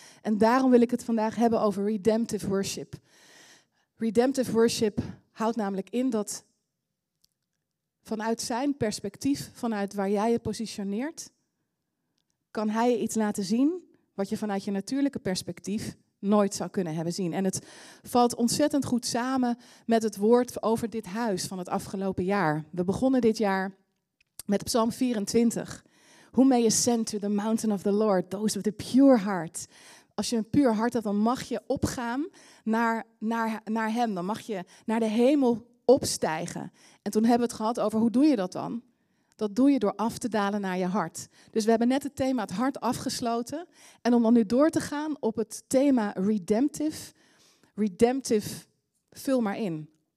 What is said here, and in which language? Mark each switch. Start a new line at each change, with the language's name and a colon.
Dutch: En daarom wil ik het vandaag hebben over redemptive worship. Redemptive worship houdt namelijk in dat vanuit zijn perspectief, vanuit waar jij je positioneert, kan hij je iets laten zien wat je vanuit je natuurlijke perspectief nooit zou kunnen hebben zien. En het valt ontzettend goed samen met het woord over dit huis van het afgelopen jaar. We begonnen dit jaar met Psalm 24.
English: Who may ascend to the mountain of the Lord, those with a pure heart.
Dutch: Als je een puur hart hebt, dan mag je opgaan naar hem. Dan mag je naar de hemel opstijgen. En toen hebben we het gehad over, hoe doe je dat dan? Dat doe je door af te dalen naar je hart. Dus we hebben net het thema het hart afgesloten. En om dan nu door te gaan op het thema redemptive, vul maar in.